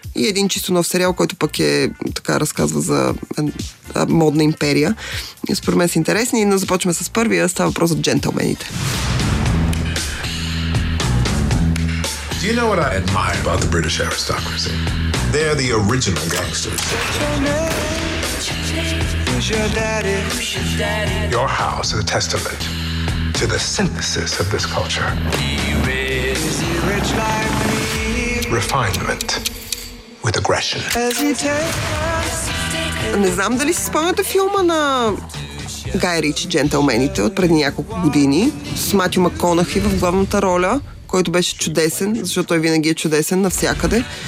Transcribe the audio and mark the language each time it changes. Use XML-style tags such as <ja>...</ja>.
<bg>И един чисто нов сериал, който пък е така, разказва за модна империя. И според мен са интересни, но започваме с първия, става въпрос за Джентълмените.</bg> <en>Do you know what I admire about the British aristocracy? They're the original gangsters. Your house is a testament to the synthesis of this culture. Refinement with aggression.</en> <bg>Не знам дали си спомняте филма на Гай Рич, Джентълмените, от преди няколко години, с Матю МакКонахи в главната роля, който беше чудесен, защото той винаги е чудесен навсякъде.</bg>